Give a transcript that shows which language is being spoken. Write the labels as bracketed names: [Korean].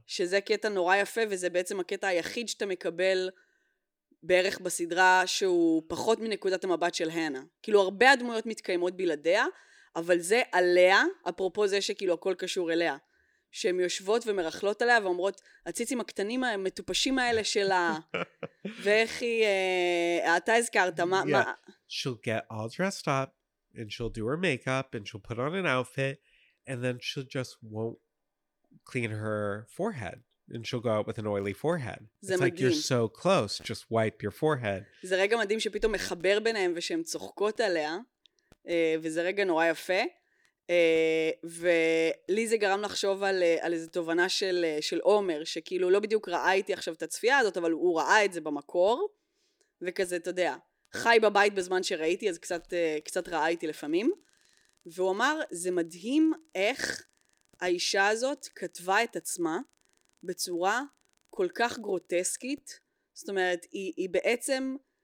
[Hebrew] שזה קטע נורא יפה, וזה בעצם הקטע היחיד שאתה מקבל בערך בסדרה, שהוא פחות מנקודת המבט של הנה. כאילו הרבה הדמויות מתקיימות בלעדיה, אבל זה עליה, אפרופו זה שכאילו הכל קשור אליה. שהן יושבות ומרחלות עליה ואומרות, הציצים הקטנים המטופשים האלה שלה, ואיך היא, אתה הזכרת, מה? [English] She'll get all dressed up, and she'll do her makeup, and she'll put on an outfit, and then she'll just won't clean her forehead, and she'll go out with an oily forehead. [Hebrew] זה מדהים. [English] It's like, you're so close, just wipe your forehead. [Hebrew] זה רגע מדהים שפתאום מחבר ביניהם ושהן צוחקות עליה, וזה רגע נורא יפה. ולי זה גרם לחשוב על איזו תובנה של עומר, שכאילו לא בדיוק ראה איתי עכשיו את הצפייה הזאת, אבל הוא ראה את זה במקור, וכזה, אתה יודע, חי בבית בזמן שראיתי, אז קצת ראה איתי לפעמים, והוא אמר, זה מדהים איך האישה הזאת כתבה את עצמה בצורה כל כך גרוטסקית, זאת אומרת, היא בעצם